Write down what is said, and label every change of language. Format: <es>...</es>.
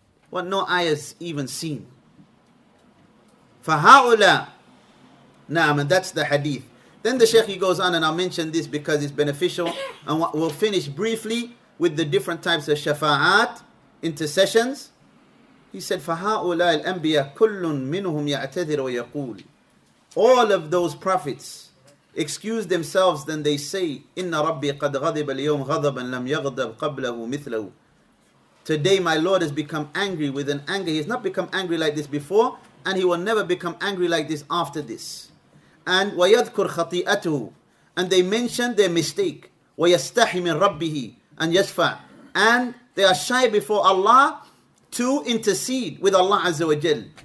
<en>What no eye has even seen.</en> <ar>فَهَاُلَىٰ نَعْمَ.</ar> <en>That's the hadith. Then the Shaykh, he goes on, and I'll mention this because it's beneficial. And we'll finish briefly with the different types of shafa'at, intercessions. He said,</en> <ar>فَهَاُلَىٰ الْأَنْبِيَىٰ كُلٌّ مِنْهُمْ يَعْتَذِرُ وَيَقُولُ.</ar> <en>All of those prophets excuse themselves, then they say,</en> <ar>إِنَّ رَبِّي قَدْ غَضِبَ الْيَوْمْ غَضَبًا لَمْ يَغْضَبْ قَبْلَهُ مِثْلَهُ.</ar> <en>Today my Lord has become angry with an anger. He has not become angry like this before, and he will never become angry like this after this. And</en> <ar>وَيَذْكُرْ خَطِيئَتُهُ,</ar> <en>and they mention their mistake.</en> <ar>وَيَسْتَحِي مِنْ رَبِّهِ</ar> <en>and</en> <ar>يَشْفَى,</ar> <en>and they are shy before Allah to intercede with Allah Azza wa Jal.</en>